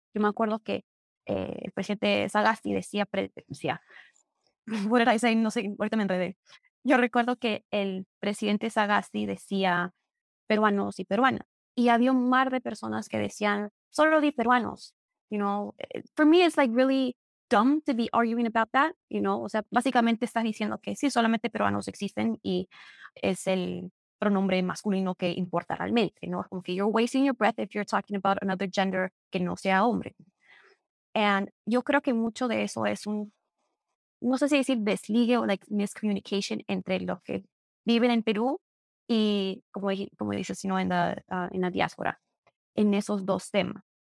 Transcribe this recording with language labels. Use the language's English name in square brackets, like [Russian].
[Spanish] Yo me acuerdo que el presidente Sagasti decía, [English] what did I say? [Spanish] No sé, ahorita me enredé. Yo recuerdo que el presidente Sagasti decía peruanos y peruana. Y había un mar de personas que decían, solo di peruanos. [English] You know, for me it's like really dumb to be arguing about that, you know. [Spanish] O sea, básicamente estás diciendo que sí, solamente peruanos existen y es el pronombre masculino que importa realmente, ¿no? Como que [English] you're wasting your breath if you're talking about another gender [Spanish] que no sea hombre. And yo creo que mucho de eso es un, no sé si decir desligue o [English] like miscommunication [Spanish] entre los que viven en Perú y como dices, sino en la diáspora, en esos dos temas.